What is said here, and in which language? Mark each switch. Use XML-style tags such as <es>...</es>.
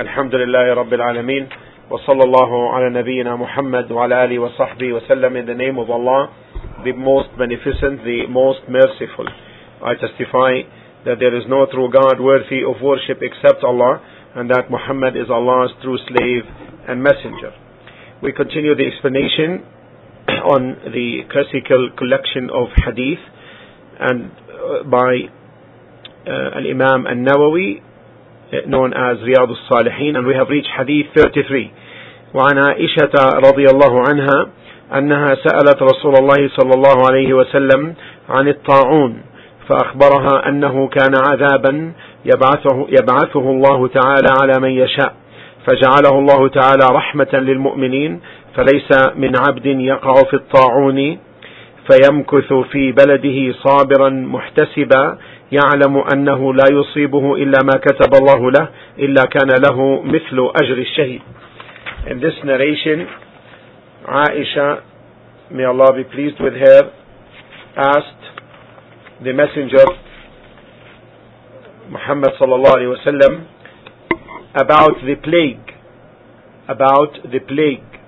<ar>الحمد لله رب العالمين، وصلى الله على نبينا محمد وعلى آله وصحبه وسلم.</ar> <en>In the name of Allah, the most beneficent, the most merciful, I testify that there is no true God worthy of worship except Allah, and that Muhammad is Allah's true slave and messenger. We continue the explanation on the classical collection of hadith and by Al-Imam An-Nawawi, known as Riyadh al-Salihin, and we have reached hadith 33.</en> <ar>وعن عائشة رضي الله عنها أنها سألت رسول الله صلى الله عليه وسلم عن الطاعون فأخبرها أنه كان عذابا يبعثه الله تعالى على من يشاء فجعله الله تعالى رحمة للمؤمنين فليس من عبد يقع في الطاعون فيمكث في بلده صابرا محتسبا يعلم أنه لا يصيبه إلا ما كتب الله له إلا كان له مثل أجر الشهيد.</ar> <en>In this narration, Aisha, may Allah be pleased with her, asked the messenger Muhammad sallallahu alaihi wasallam about the plague.</en>